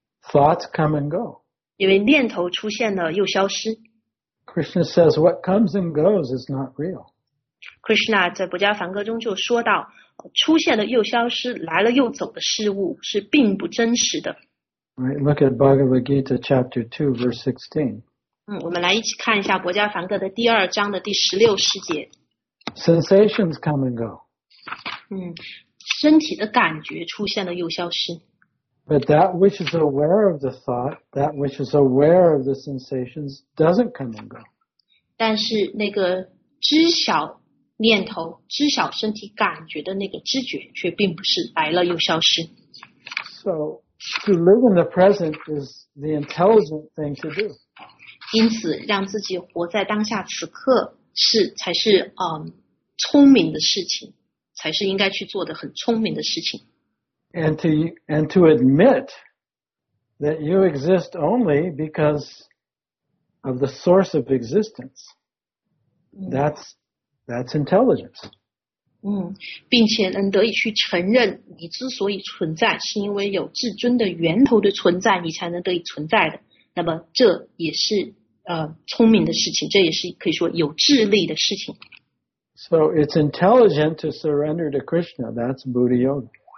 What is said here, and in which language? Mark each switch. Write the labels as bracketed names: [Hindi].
[English] Thoughts come and go. [Chinese] 因为念头出现了又消失。 [English] Krishna says what comes and goes is not real. [Chinese] Krishna 在不加梵歌中就说到，出现了又消失，来了又走的事物是并不真实的。 [English] Right, look at Bhagavad Gita chapter 2, verse 16. [Chinese] 我们来一起看一下博迦梵歌的第二章的第16节。 [English] Sensations come and go. [Chinese] 身体的感觉出现了又消失。 [English] But that which is aware of the thought, that which is aware of the sensations, doesn't come and go. [Chinese] 但是那个知晓念头，知晓身体感觉的那个知觉，却并不是来了又消失。 [English] So, to live in the present is the intelligent thing to do. [Chinese] 因此，让自己活在当下此刻是才是聪明的事情，才是应该去做的很聪明的事情。 [English] And to admit that you exist only because of the source of existence. That's intelligence. [Chinese] 并且能得以去承认你之所以存在，是因为有至尊的源头的存在，你才能得以存在的。那么这也是聪明的事情，这也是可以说有智力的事情。 [English] So it's intelligent to surrender to Krishna. That's Buddha Yoga.